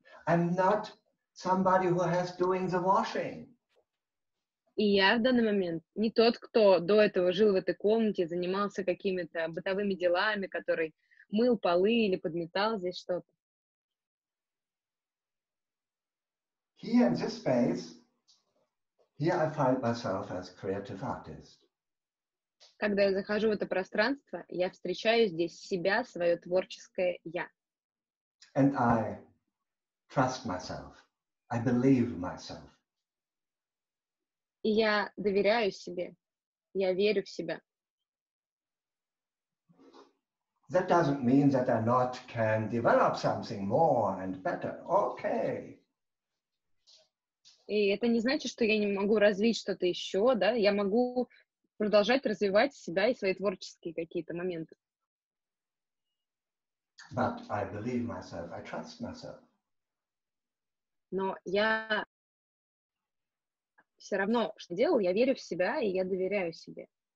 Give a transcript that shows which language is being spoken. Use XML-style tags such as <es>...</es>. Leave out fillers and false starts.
<en>I'm not somebody who has doing the washing.</en> <ru>И я в данный момент не тот, кто до этого жил в этой комнате, занимался какими-то бытовыми делами, который мыл полы или подметал здесь что-то.</ru> <en>Here in this space, here I find myself as creative artist.</en> <ru>Когда я захожу в это пространство, я встречаю здесь себя, свое творческое я.</ru> <en>And I trust myself. I believe myself.</en> <ru>И я доверяю себе, я верю в себя.</ru> <en>That doesn't mean that I not can develop something more and better. Okay.</en> <ru>И это не значит, что я не могу развить что-то еще, да? Я могу продолжать развивать себя и свои творческие какие-то моменты.</ru> <en>But I believe myself, I trust myself.</en> <ru>Но я все равно, что делал, я верю в себя и я доверяю себе.</ru>